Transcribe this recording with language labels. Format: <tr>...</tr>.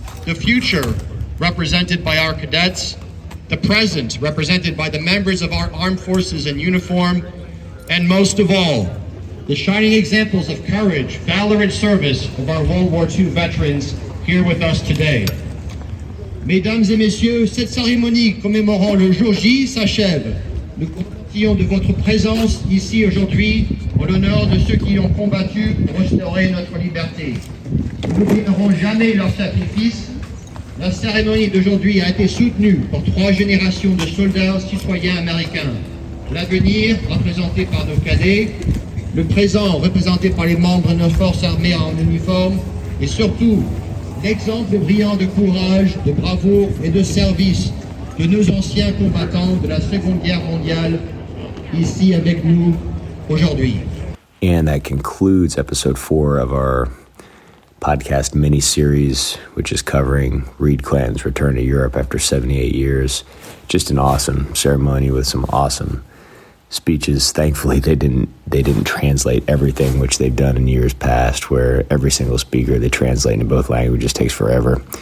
<en>The future, represented by our cadets, the present, represented by the members of our armed forces in uniform, and most of all, the shining examples of courage, valor, and service of our World War II veterans here with us today.</en> <fr>Mesdames et messieurs, cette cérémonie commémorant le jour J s'achève. Nous comptons de votre présence ici aujourd'hui en l'honneur de ceux qui ont combattu pour restaurer notre liberté. Nous n'oublierons jamais leur sacrifice. La cérémonie d'aujourd'hui a été soutenue par trois générations de soldats citoyens américains. L'avenir, représenté par nos cadets, le présent, représenté par les membres de nos forces armées en uniforme, et surtout, l'exemple brillant de courage, de bravoure et de service de nos anciens combattants de la Seconde Guerre mondiale, ici avec nous, aujourd'hui.</fr> <en>And that concludes episode 4 of our podcast mini-series, which is covering Reed Clanton's return to Europe after 78 years. Just an awesome ceremony with some awesome speeches. Thankfully, they didn't translate everything, which they've done in years past, where every single speaker they translate into both languages takes forever.</en>